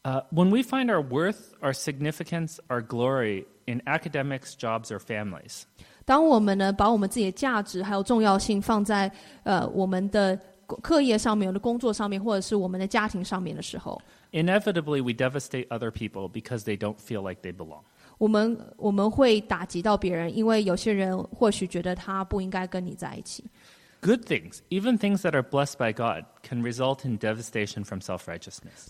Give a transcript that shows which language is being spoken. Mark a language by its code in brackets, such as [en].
[en] When we find our worth, our significance, our glory in academics, jobs, or families. [zh] 当我们呢把我们自己的价值还有重要性放在我们的课业上面、我们的工作上面，或者是我们的家庭上面的时候 [en] ，inevitably we devastate other people because they don't feel like they belong. [zh] 我们会打击到别人，因为有些人或许觉得他不应该跟你在一起。 [en] Good things, even things that are blessed by God, can result in devastation from self-righteousness.